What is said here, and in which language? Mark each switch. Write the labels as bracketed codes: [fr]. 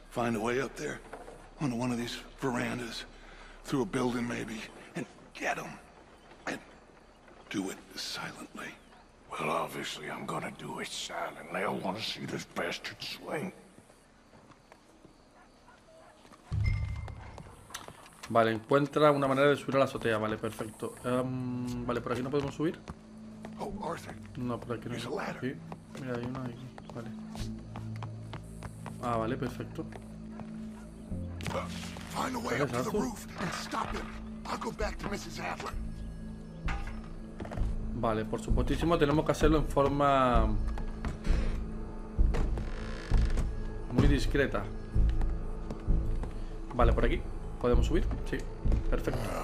[en] Find a way up there, onto one of these verandas, through a building maybe, and get him. And do it silently. Well, obviously, I'm gonna do it silently. I wanna see this bastard swing. [es] Vale, encuentra una manera de subir a la azotea. Vale, perfecto. Vale, por aquí no podemos subir. [en] Oh, Arthur. [es] No, por aquí no. [en] There's a ladder. [es] Sí. Mira, hay una ahí. Vale. Ah, vale, perfecto. [en] Find a way up to the roof and stop him. I'll go back to Mrs. Adler. [es] Vale, por supuestísimo, tenemos que hacerlo en forma muy discreta. Vale, por aquí. ¿Podemos subir? Sí. Perfecto.